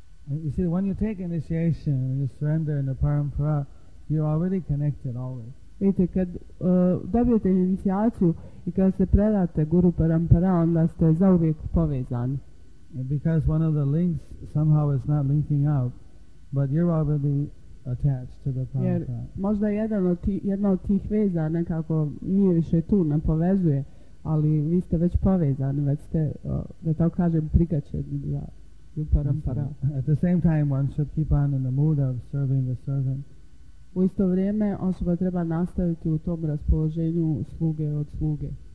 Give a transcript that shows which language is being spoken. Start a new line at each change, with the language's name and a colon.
English: You see, when you take initiation, when you surrender in the parampara, you're already connected always.
Croatian: Vidite, kad dobijete inicijaciju i kad se predate guru parampara, onda ste zauvijek povezani.
English: because one of the links somehow is not linking out, but you're already attached to the Prabhupada.
Croatian: Možda jedna od tih veza nekako nije više tu, ne povezuje, ali vi ste već povezani, već ste, da tako kažem, prikačeni za Parampara.
English: At the same time, one should keep on in the mood of serving the servant.
Croatian: U isto vrijeme osoba treba nastaviti u tom raspoloženju sluge od sluge.